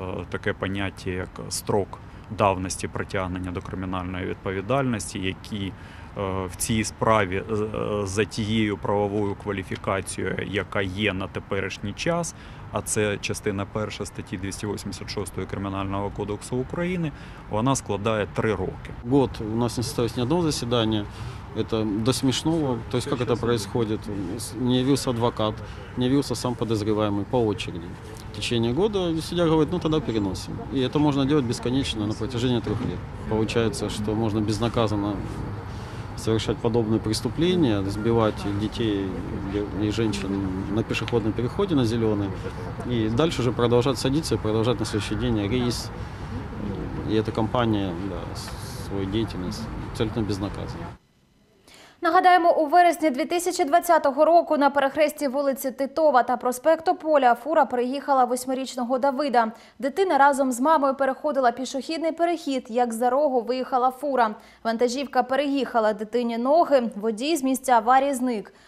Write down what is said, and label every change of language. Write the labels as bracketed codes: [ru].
[uk] таке поняття як строк давності притягнення до кримінальної відповідальності, які в цій справі за тією правовою кваліфікацією, яка є на теперішній час, а це частина перша статті 286 Кримінального кодексу України, вона складає 3 роки. Год у нас не стоїть ні одного засідання. [ru] Это до смешного, то есть как это происходит, не явился адвокат, не явился сам подозреваемый по очереди. В течение года судья говорит, ну тогда переносим. И это можно делать бесконечно на протяжении 3 лет. Получается, что можно безнаказанно совершать подобные преступления, сбивать детей и женщин на пешеходном переходе на зеленый, и дальше уже продолжать садиться и продолжать на следующий день рейс. И эта компания, да, свою деятельность абсолютно безнаказанно. [uk] Нагадаємо, у вересні 2020 року на перехресті вулиці Титова та проспекту Поля фура приїхала 8-річного Давида. Дитина разом з мамою переходила пішохідний перехід, як за рогу виїхала фура. Вантажівка переїхала дитині ноги, водій з місця аварії зник.